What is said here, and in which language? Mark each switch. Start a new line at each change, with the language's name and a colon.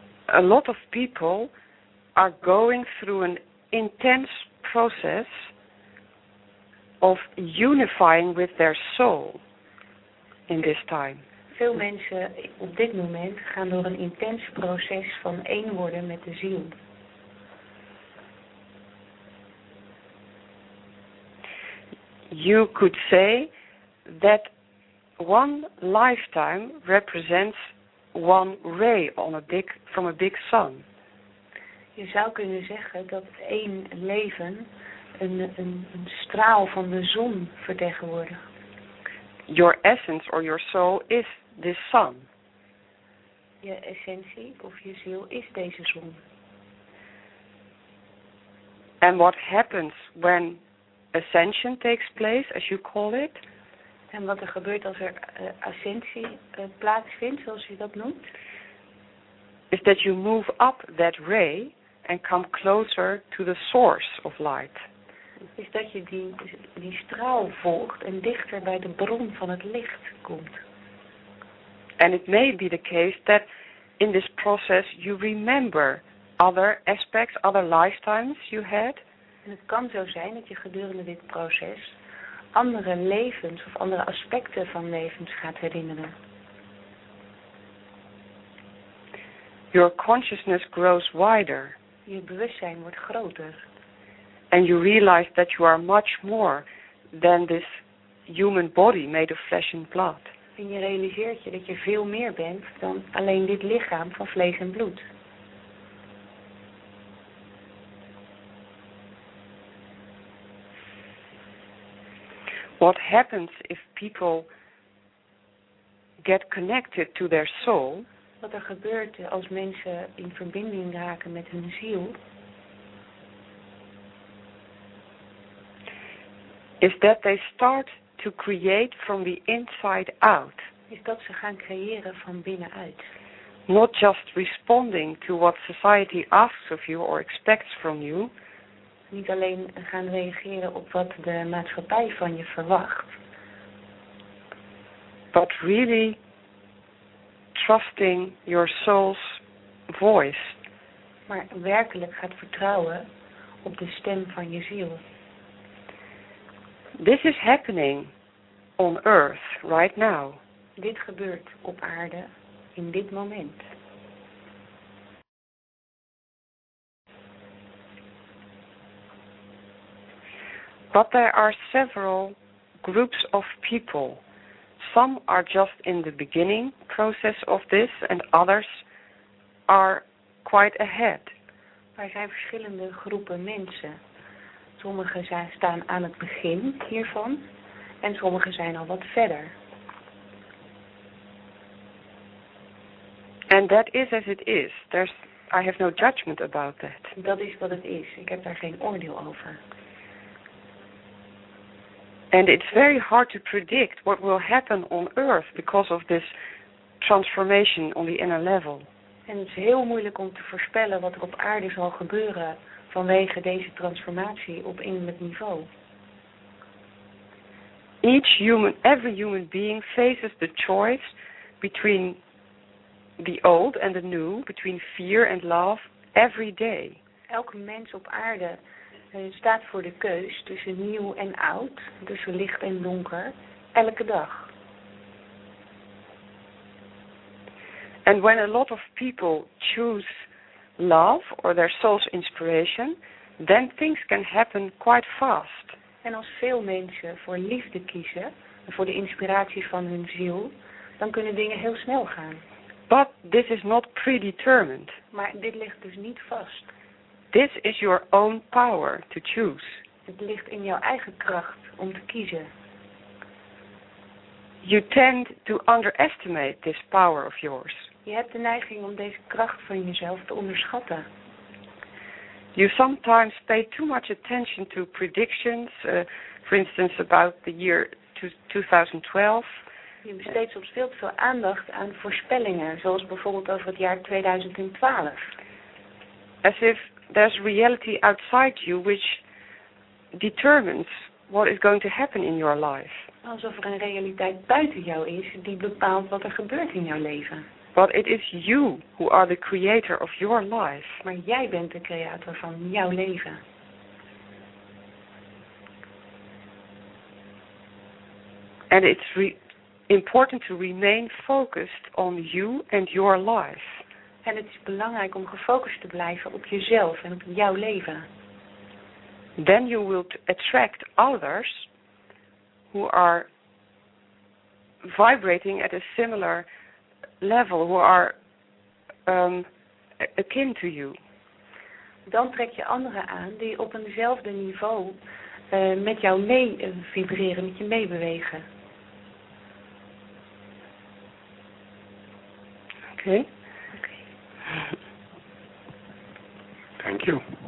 English: A lot of people are going through an intense process of unifying with their soul in this time.
Dutch: Veel mensen op dit moment gaan door een intens proces van één worden met de ziel.
English: You could say that one lifetime represents one ray on a big, from a big sun.
Dutch: Je zou kunnen zeggen dat één leven een straal van de zon vertegenwoordigt.
English: Your essence or your soul is this sun.
Dutch: Je essentie of je ziel is deze zon.
English: And what happens when ascension takes place, as you call it?
Dutch: En wat er gebeurt als er ascensie plaatsvindt, zoals je dat noemt?
English: Is that you move up that ray and come closer to the source of light.
Dutch: Is dat je die straal volgt en dichter bij de bron van het licht komt.
English: And it may be the case that in this process you remember other aspects, other lifetimes you had.
Dutch: En het kan zo zijn dat je gedurende dit proces andere levens of andere aspecten van levens gaat herinneren.
English: Your consciousness grows wider.
Dutch: Je bewustzijn wordt groter.
English: And you realize that you are much more than this human body made of flesh and blood.
Dutch: En je realiseert je dat je veel meer bent dan alleen dit lichaam van vlees en bloed.
English: What happens if people get connected to their soul?
Dutch: Wat er gebeurt als mensen in verbinding raken met hun ziel?
English: Is that they start to create from the inside out?
Dutch: Is dat ze gaan creëren van binnenuit?
English: Not just responding to what society asks of you or expects from you.
Dutch: Niet alleen gaan reageren op wat de maatschappij van je verwacht.
English: But really trusting your soul's voice.
Dutch: Maar werkelijk gaat vertrouwen op de stem van je ziel.
English: This is happening on earth right now.
Dutch: Dit gebeurt op aarde in dit moment.
English: But there are several groups of people. Some are just in the beginning process of this and others are quite ahead.
Dutch: Er zijn verschillende groepen mensen. Sommigen staan aan het begin hiervan en sommigen zijn al wat verder.
English: And that is as it is. I have no judgment about that.
Dutch: Dat is wat het is. Ik heb daar geen oordeel over.
English: And it's very hard to predict what will happen on Earth because of this transformation on the inner level.
Dutch: En het is heel moeilijk om te voorspellen wat er op aarde zal gebeuren vanwege deze transformatie op innerlijk niveau.
English: Every human being faces the choice between the old and the new, between fear and love, every day.
Dutch: Elke mens op aarde staat voor de keus tussen nieuw en oud, tussen licht en donker, elke dag.
English: And when a lot of people choose love or their soul's inspiration, then things can happen quite fast.
Dutch: En als veel mensen voor liefde kiezen, voor de inspiratie van hun ziel, dan kunnen dingen heel snel gaan.
English: But this is not predetermined.
Dutch: Maar dit ligt dus niet vast.
English: This is your own power to choose.
Dutch: Het ligt in jouw eigen kracht om te kiezen.
English: You tend to underestimate this power of yours.
Dutch: Je hebt de neiging om deze kracht van jezelf te onderschatten.
English: You sometimes pay too much attention to predictions, for instance about the year 2012.
Dutch: Je besteedt soms veel te veel aandacht aan voorspellingen, zoals bijvoorbeeld over het jaar 2012.
English: As if there's reality outside you which determines what is going to happen in your life.
Dutch: Alsof er een realiteit buiten jou is die bepaalt wat er gebeurt in jouw leven.
English: But it is you who are the creator of your life.
Dutch: Maar jij bent de creator van jouw leven.
English: And it's important to remain focused on you and your life.
Dutch: En het is belangrijk om gefocust te blijven op jezelf en op jouw leven.
English: Then you will attract others who are vibrating at a similar level, who are akin to you.
Dutch: Dan trek je anderen aan die op eenzelfde niveau met jou mee vibreren, met je meebewegen.
English: Okay. Thank you.